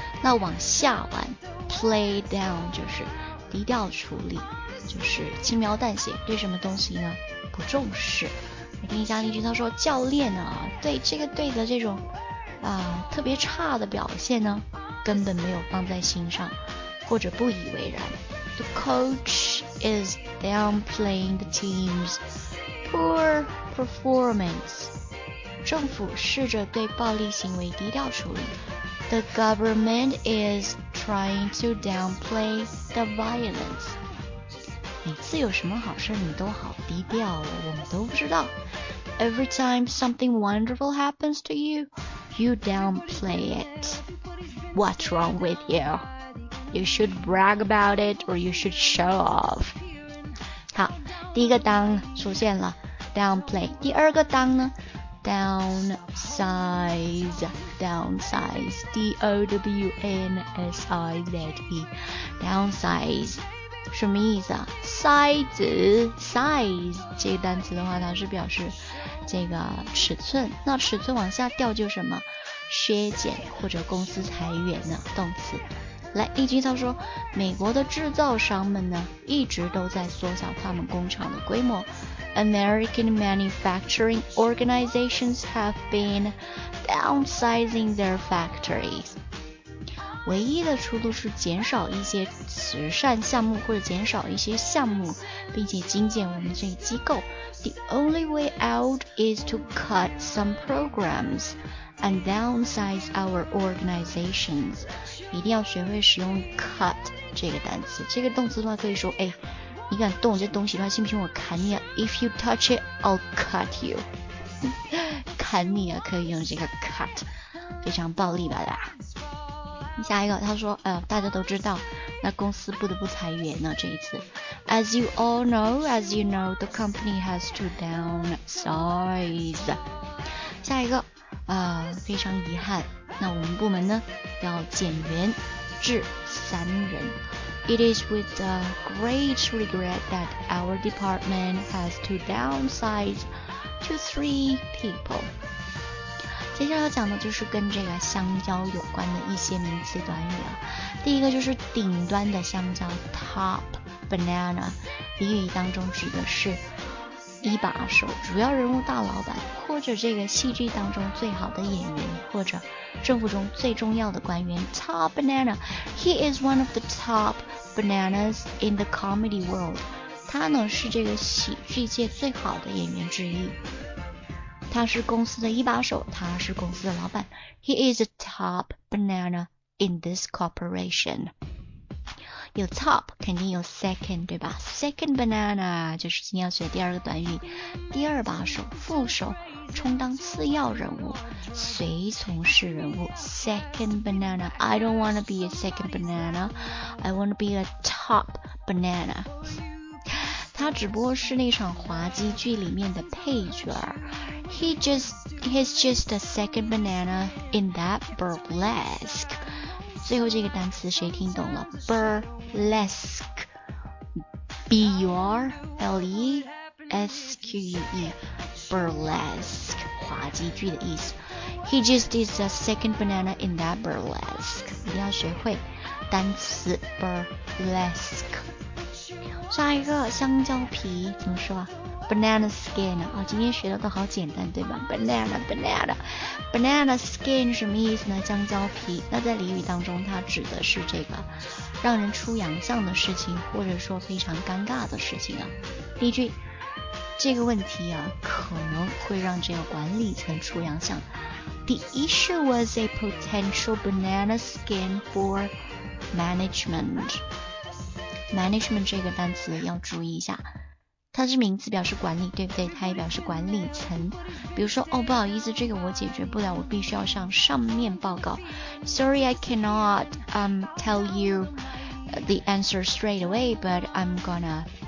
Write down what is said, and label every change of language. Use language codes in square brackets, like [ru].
[zh] 那往下玩 ，play down 就是低调处理，就是轻描淡写，对什么东西呢不重视。来听一下例句，他说：“教练啊，对这个队的这种啊特别差的表现呢，根本没有放在心上，或者不以为然。” [en] The coach is downplaying the team's poor performance. [zh] 政府试着对暴力行为低调处理。 [en] The government is trying to downplay the violence. [zh] 每次有什么好事你都好低调哦，我们都不知道。 [en] Every time something wonderful happens to you, you downplay it. What's wrong with you? You should brag about it or you should show off. [zh] 好，第一个当出现了 downplay. 第二个当呢Downsize, D-O-W-N-S-I-Z-E, downsize, 什么意思啊 size, 这个单词的话它是表示这个尺寸，那尺寸往下掉就什么削减或者公司裁员呢，动词。来，一句他说，美国的制造商们呢一直都在缩小他们工厂的规模。 [en] American manufacturing organizations have been downsizing their factories. [zh] 唯一的出路是减少一些慈善项目或者减少一些项目，并且精简我们这个机构。 [en] The only way out is to cut some programs and downsize our organizations. [zh] 一定要学会使用 cut 这个单词，这个动词的话可以说，哎。你敢动这东西的话，信不信我砍你啊 ？ [en] If you touch it, I'll cut you. [zh] 砍你啊，可以用这个 cut， 非常暴力吧啦。下一个，他说，大家都知道，那公司不得不裁员呢。这一次 [en] ，as you know, the company has to downsize. [zh] 下一个，非常遗憾，那我们部门呢，要减员至三人。 [en] It is with a great regret that our department has to downsize to 3 people. [zh] 接下来要讲的就是跟这个香蕉有关的一些名词短语了。第一个就是顶端的香蕉 ,top banana, 俚语当中指的是一把手，主要人物大老板，或者这个戏剧当中最好的演员，或者政府中最重要的官员 ,top banana, [en] he is one of the top bananas in the comedy world, [zh] 他呢是这个喜剧界最好的演员之一，他是公司的一把手，他是公司的老板 , [en] he is a top banana in this corporation, [zh] 有 top 肯定有 second, 对吧 ,second banana 就是今天要学第二个短语，第二把手，副手，充当次要人物，随从式人物 ,second banana, [en] I don't wanna be a second banana, I wanna be a top banana. [zh] 他只不过是那场滑稽剧里面的配角。 [en] He's just a second banana in that burlesque. [zh] 最后这个单词谁听懂了 ?burlesque, B-U-R-L-E-S-Q-U-E. Burlesque, 滑稽剧的意思。 [en] He just is a second banana in that burlesque. [zh] 一定要学会单词 burlesque. 下一个香蕉皮怎么说啊 ？Banana skin 啊、哦，今天学的都好简单，对吧 ？Banana skin 什么意思呢？香蕉皮。那在俚语当中，它指的是这个让人出洋相的事情，或者说非常尴尬的事情啊。例句。这个问题啊可能会让这个管理层出洋相。 [en] The issue was a potential banana skin for management. [zh] Management 这个单词要注意一下。它是名词表示管理对不对，它也表示管理层。比如说哦不好意思这个我解决不了，我必须要向上面报告。 [en] Sorry, I cannot, tell you the answer straight away, but I'm gonna...